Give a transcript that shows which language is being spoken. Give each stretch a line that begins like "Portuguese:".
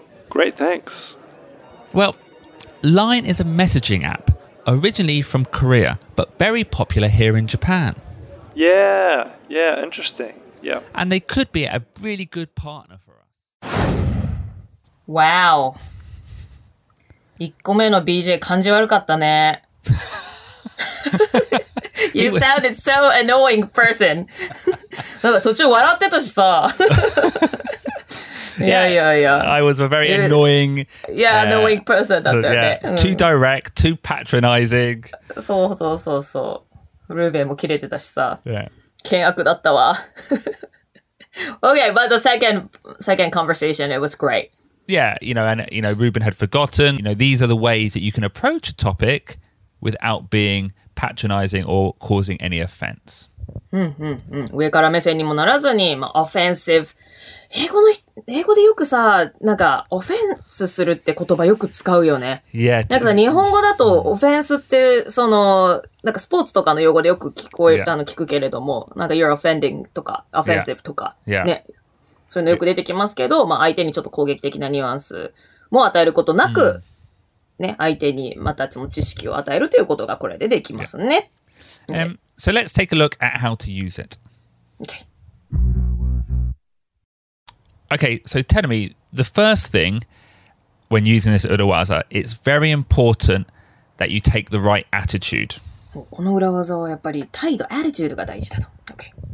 English: Great, thanks. Well, LINE is a messaging app. Originally from Korea, but very popular here in Japan. Yeah, interesting. Yeah. And they could be a really good partner for us. Wow.
Japanese: 1個目の BJ 感じ悪かったね。
English: You sounded so annoying person.
Japanese: なんか途中笑ってたしさ。
English: I was a very annoying...
Japanese: Yeah,
English: annoying person
Japanese: だったよね。
English: Too direct, too patronizing.
Japanese: そう。ルーベンも切れてたしさ。
English: Yeah.
Japanese: 険悪だったわ。
English: Okay, but the second conversation, it was great. Yeah, you know, and you know, Ruben had forgotten, you know, these are the ways that you can approach a topic without being patronizing or causing any offense.
Japanese: うんうんうん、上から目線にもならずに、まあ、offensive。英語でよくさ、なんか、オフェンスするって言葉よく使うよね。
English: Yeah,
Japanese: なんかさ、日本語だと、オフェンスって、その、なんかスポーツとかの用語でよく聞こえる、yeah. 聞くけれども、なんか、you're offending とか、offensive とか、
English: yeah.
Japanese: ね。そういうのよく出てきますけど、まあ、相手にちょっと攻撃的なニュアンスも与えることなく、mm. ね、相手にまたその知識を与えるということがこれでできますね。
English: Yeah. Okay. So let's take a look at how to use it. Okay. Okay, so tell me, the first thing when using this urawaza, it's very important that you take the right attitude.
Japanese: この裏技はやっぱり態度、attitude が大事だと。Okay.